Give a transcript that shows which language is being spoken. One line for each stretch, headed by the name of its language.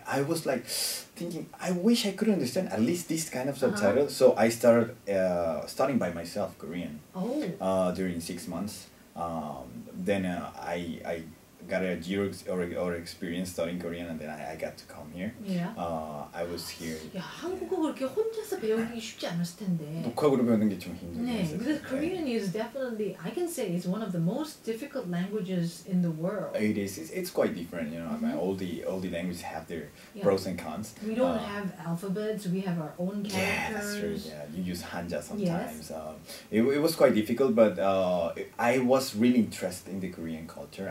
English: I was thinking, I wish I could understand at least this kind of subtitle. Uh-huh. So I started studying by myself Korean during 6 months. Then I got a year or experience studying Korean, and then I got to come here. Yeah. I was here.
Korean: 야, 한국어 그렇게 혼자서 배우기 쉽지 않았을 텐데. 독학으로 배우는 게 좀 힘들어요.
English: 네, because Korean is definitely, I can say, it's one of the most difficult languages in the world. It is. It's quite different, you know. Mm-hmm. I mean, all the languages have their pros and cons. We don't have alphabets. We have our own characters. Yeah, that's true. Yeah, you use Hanja sometimes. Yes. It was quite difficult, but I was really interested in the Korean culture.